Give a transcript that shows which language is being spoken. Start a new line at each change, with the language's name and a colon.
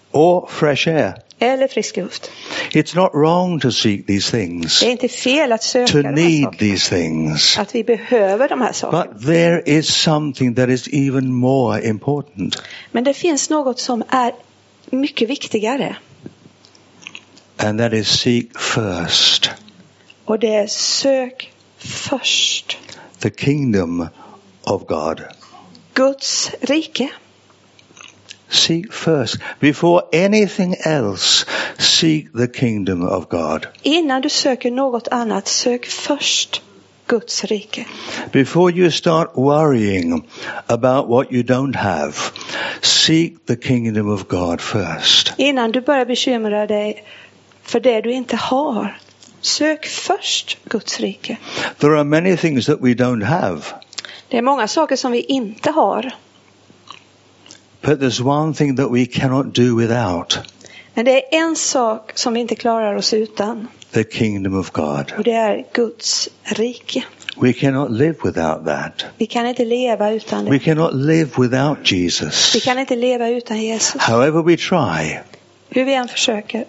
English: Or fresh air.
Swedish: Eller frisk luft.
English: It's not wrong to seek these things.
Swedish: Det är inte fel att söka
English: to need these things.
Swedish: Att vi behöver de här sakerna.
English: But there is something that is even more important.
Swedish: Men det finns något som är mycket viktigare.
English: And that is seek first.
Swedish: Och det är sök först.
English: The kingdom of God.
Swedish: Guds rike.
English: Seek first. Before anything else, seek the kingdom of God.
Swedish: Innan du söker något annat, sök först Guds rike.
English: Before you start worrying about what you don't have, seek the kingdom of God first.
Swedish: Innan du börjar bekymra dig för det du inte har, sök först Guds rike.
English: There are many things that we don't have.
Swedish: Det är många saker som vi inte har.
English: But there's one thing that we cannot do without.
Swedish: Men det är en sak som vi inte klarar oss utan.
English: The kingdom of God.
Swedish: Och det är Guds rike.
English: We cannot live without that.
Swedish: Vi kan inte leva utan det.
English: We cannot live without Jesus.
Swedish: Vi kan inte leva utan Jesus.
English: However we try.
Swedish: Hur vi än försöker.